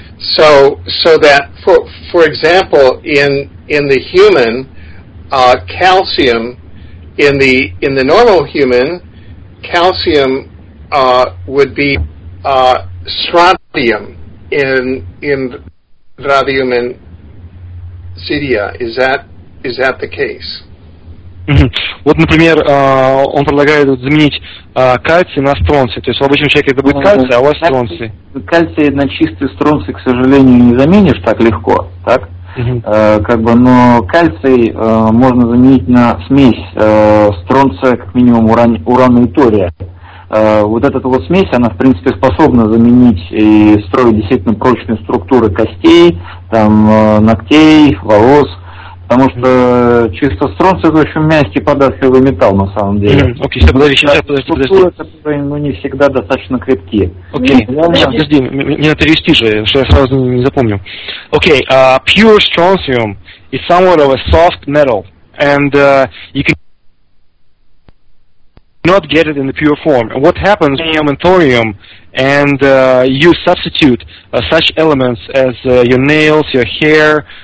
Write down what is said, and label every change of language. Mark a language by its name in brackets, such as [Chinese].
[English] So that, for example, in the human, calcium, in the normal human, calcium would be strontium in radium and cesium. Is that the case? [Russian] Вот, например, он предлагает заменить кальций на стронций. То есть в обычном человеке это будет кальций, а у вас стронций. Кальций на чистый стронций, к сожалению, не заменишь так легко, так? Но кальций можно заменить на смесь стронция, как минимум, урана и тория. Вот эта вот смесь, она, в принципе, способна заменить и строить действительно прочные структуры костей, там, ногтей, волос. Потому что чисто стронций — это очень мягкий, податливый металл, на самом деле. Окей, сейчас, подожди. Структуры, которые, не всегда достаточно крепкие. Подожди, мне надо перевести же, что я сразу не запомню. [English] Окей, pure strontium is somewhat of a soft metal, and you can not get it in the pure form. What happens when you're in thorium, and you substitute such elements as your nails, your hair...